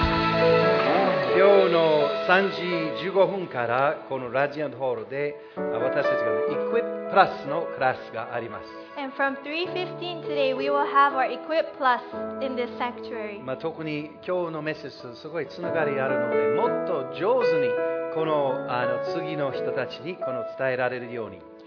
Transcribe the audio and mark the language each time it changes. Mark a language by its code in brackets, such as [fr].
[ja] 3時15分からこのラジアントホールで私たちがイクイッププラスのクラスがあります。 [en] And from 3:15 today we will have our equip plus in this sanctuary. [ja] まあ特に今日のメッセージとすごいつながりあるので、もっと上手にこの、次の人たちにこの伝えられるように。